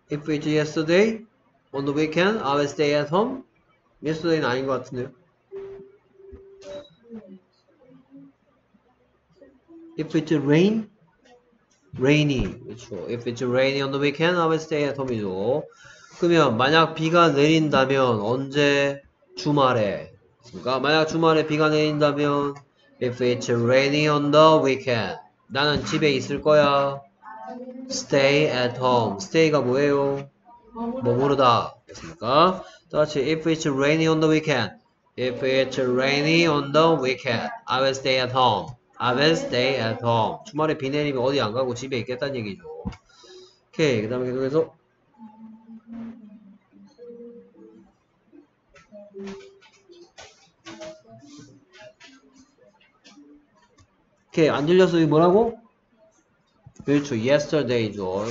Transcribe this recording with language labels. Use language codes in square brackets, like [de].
[en] If it's yesterday, on the weekend, I will stay at home. [ko] Yesterday는 아닌 것 같은데요. [en] If it's rain, rainy. [ko] 그렇죠. [en] If it's rainy on the weekend, I will stay at home이죠. [ko] 그러면 만약 비가 내린다면 언제? 주말에. 그러니까 만약 주말에 비가 내린다면 [en] If it's rainy on the weekend. [ko] 나는 집에 있을 거야. [en] Stay at home. [ko] Stay가 뭐예요? 머무르다. 됐습니까? 다시 [en] If it's rainy on the weekend. If it's rainy on the weekend, I will stay at home. I will stay at home. [ko] 주말에 비 내리면 어디 안 가고 집에 있겠다는 얘기죠. 오케이, 그다음에 계속해서. 오케이, 안 들렸어요? 뭐라고? 그렇죠. Yesterday죠.